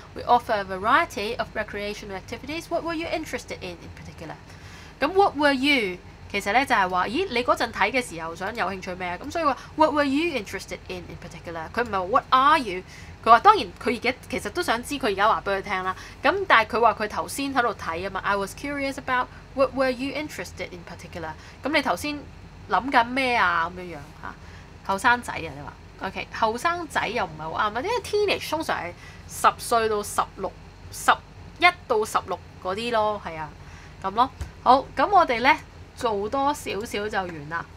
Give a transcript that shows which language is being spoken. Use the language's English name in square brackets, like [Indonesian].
[English] We offer a variety of recreational activities. What were you interested in particular? [Cantonese] 咁 [English] what were you [Cantonese] 其實咧就係話，咦你嗰陣睇嘅時候想有興趣咩啊？咁所以話 [English] what were you interested in particular？ [Cantonese] 佢唔係話 [English] what are you？ [Cantonese] 佢話當然佢而家其實都想知佢而家話俾佢聽啦。咁但係佢話佢頭先喺度睇啊嘛。 [English] I was curious about what were you interested in particular？ [Cantonese] 咁你頭先諗緊咩啊？咁樣樣嚇，後生仔啊你話 ？OK， 後生仔又唔係好啱啊，因為 teenage 通常係十歲到十六、十一到十六嗰啲咯，係啊，咁咯。好，咁我哋咧做多少少就完啦。